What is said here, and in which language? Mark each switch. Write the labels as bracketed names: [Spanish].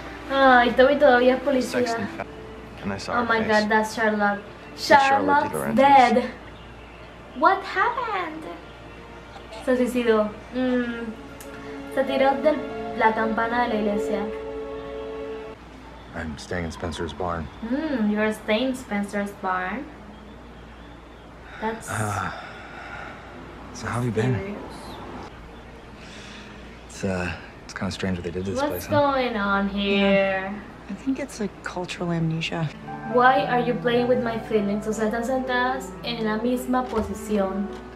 [Spanish] Ay, Toby todavía es policía. [English] Oh, my God. That's Charlotte. Charlotte's dead. What happened? Se suicidó. [Spanish] Se tiró de la campana de la iglesia. [English] I'm staying in Spencer's barn. You're staying in Spencer's barn. That's... So how have you been? It's kind of strange what they did to What's this place, What's going huh? on here? Yeah, I think it's like cultural amnesia. Why are you playing with my feelings? [Spanish] O sea, están sentadas en la misma posición.